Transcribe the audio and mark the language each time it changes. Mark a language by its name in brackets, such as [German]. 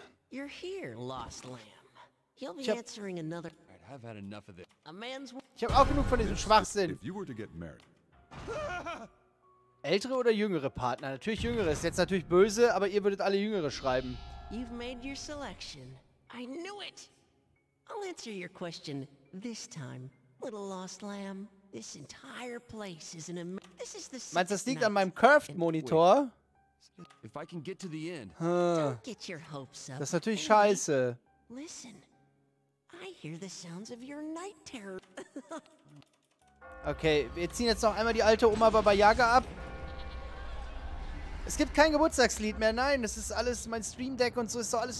[English] You're here, lost lamb. He'll be answering another. I've had enough of this. [German] Ich hab auch genug von diesem Schwachsinn. [English] If you were to get married. [German] Ältere oder jüngere Partner? Natürlich jüngere. Ist jetzt natürlich böse, aber ihr würdet alle jüngere schreiben. [English] You've made your selection. I knew it. I'll answer your question this time, little lost lamb. This entire place is an. This is the. [German] Meinst du, das liegt an meinem Curved-Monitor? [English] If I can get to the end. Don't get your hopes up. [German] Das ist natürlich scheiße. [English] Listen. I hear the sounds of your night terror. [German] Okay, wir ziehen jetzt noch einmal die alte Oma Baba Yaga ab. Es gibt kein Geburtstagslied mehr. Nein, das ist alles mein Stream Deck und so ist doch alles.